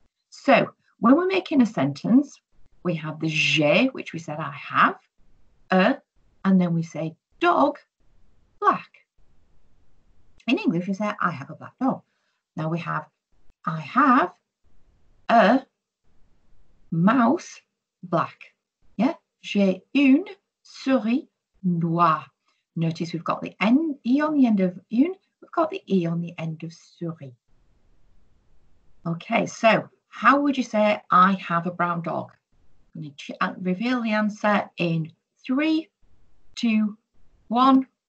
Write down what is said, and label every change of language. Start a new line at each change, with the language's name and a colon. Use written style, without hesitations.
English: So when we're making a sentence, we have the je, which we said I have, and then we say dog, black. In English, we say I have a black dog. Now we have I have a mouse, black.
French: Yeah, j'ai une souris noire.
English: Notice we've got the N, E on the end of une, we've got the E on the end of souris. Okay, so how would you say I have a brown dog? I'm going to reveal the answer in 3, 2, 1.